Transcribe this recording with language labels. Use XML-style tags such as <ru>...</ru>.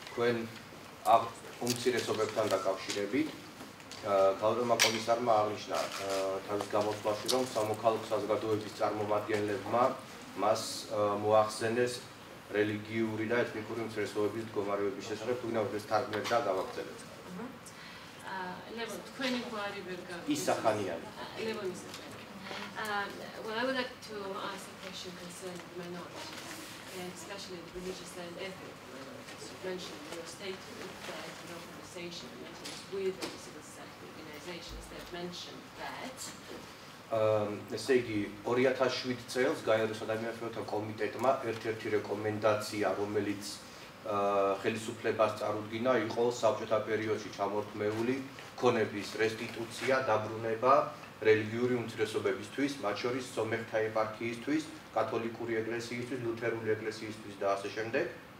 <ka>თქვენ უმცირესობებთან დაკავშირებით ქალბატონმა კომისარმა აღნიშნა თავის გამოსვლაში, რომ სამოქალაქო საზოგადოების წარმომადგენლებმა მას მოახსენეს რელიგიური და ეთნიკური უმცირესობების მდგომარეობის შესახებ, თუნდაც ეს თარგმნა და გავაგრძელებ. Levon, თქვენი გვარი ვერ გაგვიწერეთ. ისახანიანი. Levon Isakhanian.</ka> <en>Well, I would like to ask a question concerning the minority, and especially the religious and ethnic minorities. You mentioned in your statement that in organization meetings with the civil society organizations, they mentioned that.</en> <ka>ესე იგი 2007 წელს გაეროს ადამიანთა კომიტეტმა ერთ-ერთი რეკომენდაცია, რომელიც ხელისუფლებას წარუდგინა, იყო საბჭოთა პერიოდში ჩამორთმეული ქონების რესტიტუცია, დაბრუნება რელიგიური უმცირესობებისთვის, მათ შორის სომეხთა ეპარქიისთვის, კათოლიკური ეკლესიისთვის, ლუთერული ეკლესიისთვის და ასე შემდეგ.</ka>